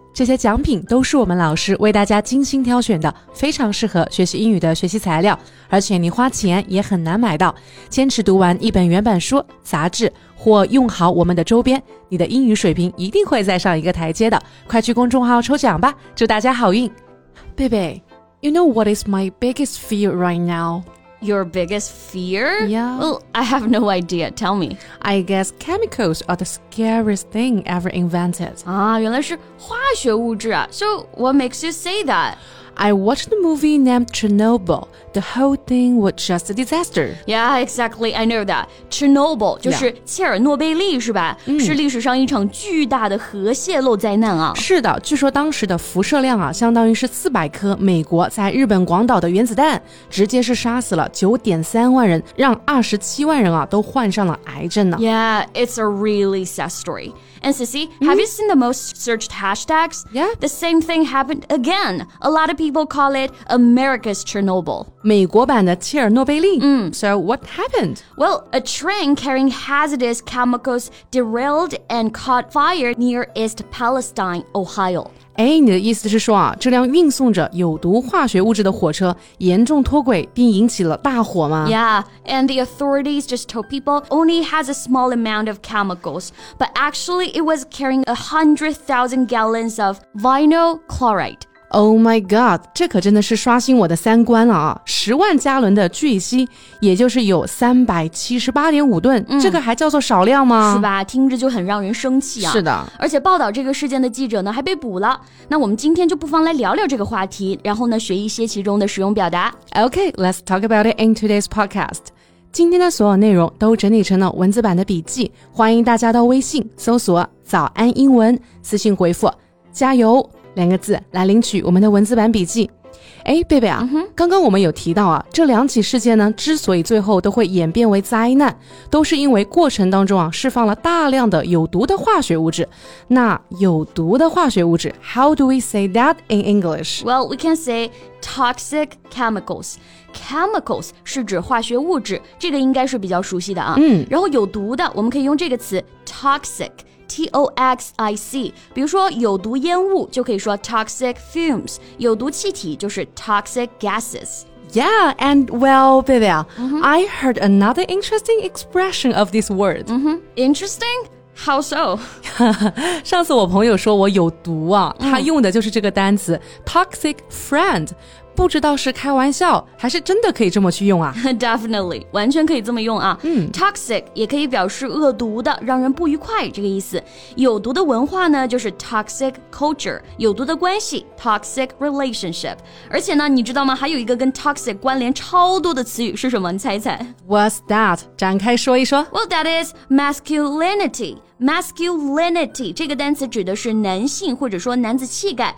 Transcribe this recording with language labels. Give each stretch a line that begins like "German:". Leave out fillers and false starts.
Chinese: 这些奖品都是我们老师为大家精心挑选的，非常适合学习英语的学习材料，而且你花钱也很难买到。坚持读完一本原版书、杂志，或用好我们的周边，你的英语水平一定会再上一个台阶的。快去公众号抽奖吧，祝大家好运。
English: 贝贝 ,You know what is my biggest fear right now? Your biggest fear? Yeah. Well, I have no idea. Tell me. I guess chemicals are the scariest thing ever invented.
Chinese: 啊，原来是化学物质啊。
English: So, what makes you say that? I watched the movie named Chernobyl. The whole thing was just a disaster. Yeah, exactly. I know that.
Chinese: Chernobyl, 就是切尔诺贝利是吧、yeah. 是历史上一场巨大的核泄漏灾难啊。是的，据说当时的辐射量啊，相当于是400颗美国在日本广岛的原子弹，直接是杀死了 9.3 万人，让27万人啊都患上了癌症呢。
English: Yeah, it's a really sad story. And Cici, have you seen the most searched hashtags? Yeah. The same thing happened again. A lot of people call it America's Chernobyl.
Chinese: 美国版的切尔诺贝利。 Mm.
English: So what happened? Well, a train carrying hazardous chemicals derailed and caught fire near East Palestine, Ohio.
Chinese: 哎，你的意思是说啊，这辆运送着有毒化学物质的火车严重脱轨并引起了大火吗？
English: Yeah, and the authorities just told people only has a small amount of chemicals, but actually it was carrying 100,000 gallons of vinyl chloride. Oh my god,
Chinese: 这可真的是刷新我的三观了啊。十万加仑的聚乙烯也就是有 378.5 吨、嗯、这个还叫做少量吗？是吧，听着就很让人生气啊。是的。而且报道这个事件的记者呢还被捕了。那我们今天就不妨来聊聊这个话题，然后呢学一些其中的实用表达。
English: Okay, let's talk about it in today's podcast.
Chinese: 今天的所有内容都整理成了文字版的笔记，欢迎大家到微信搜索早安英文，私信回复加油。两个字来领取我们的文字版笔记。哎，贝贝啊、 mm-hmm. 刚刚我们有提到啊，这两起事件呢之所以最后都会演变为灾难，都是因为过程当中啊释放了大量的有毒的化学物质。那有毒的化学物质
English: How do we say that in English? Well, we can say toxic chemicals.
Chinese: Chemicals 是指化学物质，这个应该是比较熟悉的啊。嗯，然后有毒的我们可以用这个词 toxicToxic, 比如说有毒烟雾就可以说
English: toxic fumes,
Chinese: 有毒气体就是
English: toxic gases. Yeah, and well, Bibia,、mm-hmm. I heard another interesting expression of this word.、 Mm-hmm. Interesting? How so?
Chinese: 上次我朋友说我有毒啊、mm-hmm. 他用的就是这个单词
English: toxic friend,
Chinese: 不知道是开玩笑还是真的可以这么去用啊。
English: Definitely,
Chinese: 完全可以这么用啊。嗯、 Toxic 也可以表示恶毒的，让人不愉快这个意思。有毒的文化呢就是
English: toxic culture,
Chinese: 有毒的关系
English: toxic relationship。
Chinese: 而且呢你知道吗，还有一个跟 toxic 关联超多的词语是什么，你猜猜。
English: What's that?
Chinese: 展开说一说。
English: Well, that is masculinity.
Chinese: Masculinity 这个单词指的是男性或者说男子气概、